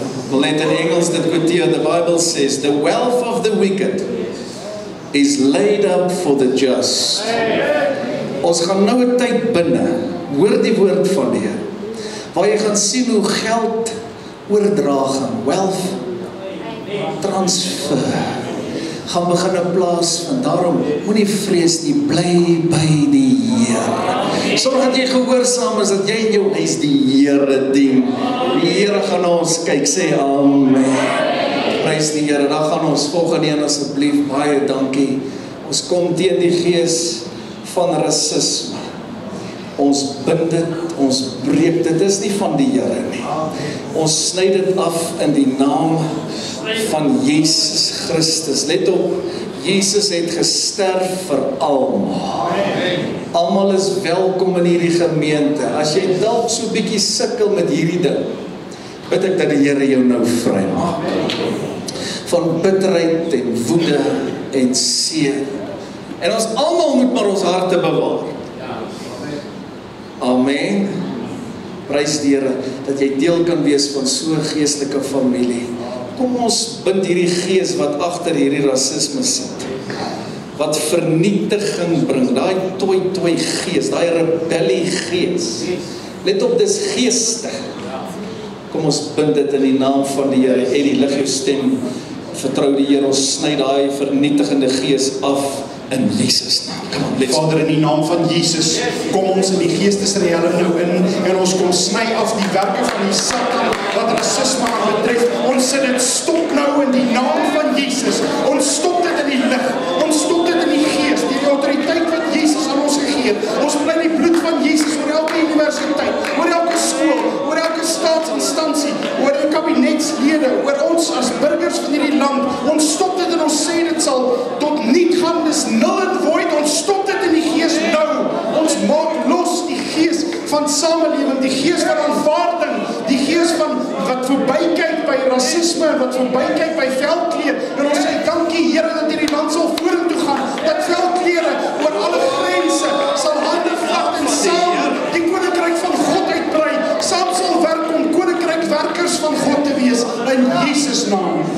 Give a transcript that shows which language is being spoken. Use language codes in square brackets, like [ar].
[en] Well, [af] let in Engels dit quoteer, [en] the Bible says, the wealth of the wicked is laid up for the just. [af] Ons gaan nou 'n tyd binne, hoor die woord van die Heer, waar jy gaan sien hoe geld oordraging, wealth transfer, gaan begin in plaas, en daarom moenie vrees nie, bly by die Heer. Sorg dat jy gehoorsaam is, dat jy in jou huis die Heere dien. Die Heere gaan ons kyk, sê amen. Prys die Heere, dan gaan ons volgende een asseblief, baie dankie. Ons kom teen die gees van rasisme. Ons bind dit, ons breek dit, is nie van die Heere nie. Ons sny dit af in die naam van Jesus Christus. Let op, Jesus het gesterf vir almal. Almal is welkom in hierdie gemeente. As jy dalk so bietjie sukkel met hierdie ding, bid ek dat die Heere jou nou vry maak van bitterheid en woede en seer. En ons almal moet maar ons harte bewaar. Amen. Prys die Heere, dat jy deel kan wees van so 'n geestelike familie. Kom ons bind hierdie gees wat agter hierdie rasisme sit, wat vernietiging bring, daai toi toi gees, daai rebellie gees. Let op, dis geeste. Kom ons bind dit in die naam van die Heere. Eddie, lig jou stem. Vertrou die Heere, ons sny daai vernietigende gees af in Jesus naam. Kom, Vader, in die naam van Jesus, kom ons in die geestesreële nou in, en ons kom sny af die werke van die Satan wat rasisme aan betref. Ons sit dit stop nou in die naam van Jesus. Ons stop dit in die lig. Ons stop dit in die gees, die autoriteit wat Jesus aan ons gegee het. Ons bly die bloed van Jesus oor elke universiteit, oor elke skool, oor elke staatsinstansie, oor die kabinetslede, oor ons as burgers van hierdie land. Ons stop dit en ons sê dit sal tot niet gaan, dis nul en void. Ons stop dit in die gees nou. Ons maak los die gees van samelewing, die gees van aanvaarding, die gees van wat voorby kyk by rasisme, wat voorby kyk by veldkleer. En ons sê dankie Here dat hierdie land sal vorentoe gaan, dat veldklere oor alle grense sal hande vat en saam die koninkryk van God uitbrei, saam sal werk om koninkryk werkers van God te wees, in Jesus naam.